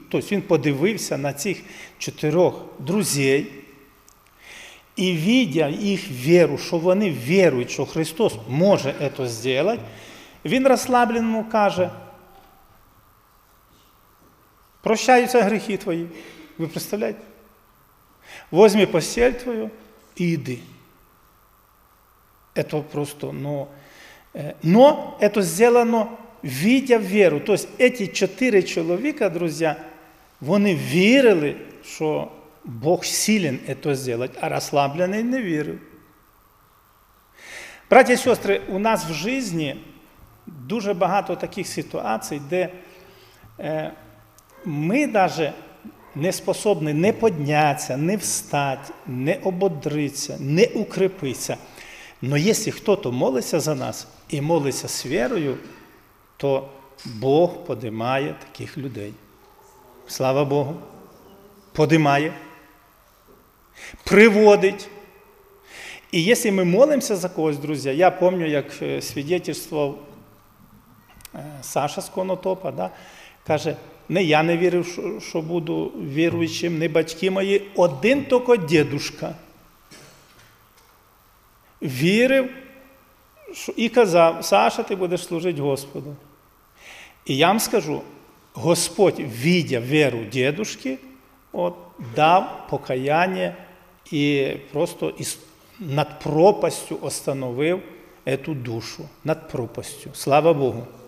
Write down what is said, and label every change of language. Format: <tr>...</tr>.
<uk>Тобто він подивився на цих чотирьох друзей і видя їх веру, що вони вірують, що Христос може це зробити, він розслабленому каже, прощаються гріхи твої. Ви представляєте?</uk> <ru>Возьми постель твою і йди. Это просто, ну, но это сделано, видя веру. То есть эти четыре человека, друзья, они верили, что Бог силен это сделать, а расслабленный не верил. Братья и сестры, у нас в жизни</ru> <uk>дуже багато</uk> <ru>таких ситуаций, где мы даже не способны не подняться, не встать, не ободриться, не укрепиться. Но если кто-то молится за нас и молится с верою, то Бог поднимает таких людей. Слава Богу. Поднимает. Приводит. И если мы молимся за кого-то, друзья, я помню, как свидетельство Саша с Конотопа, да,</ru> <uk>каже, не я</uk> <ru>не верю, что буду верующим, не батьки мои, один только дедушка.</ru> <uk>Вірив і казав, Саша, ти будеш служити Господу. І я вам скажу, Господь, видя веру дедушки, от, дав покаяння і просто над пропастю</uk> <ru>остановив эту душу.</ru> <uk>Над пропастю. Слава Богу.</uk>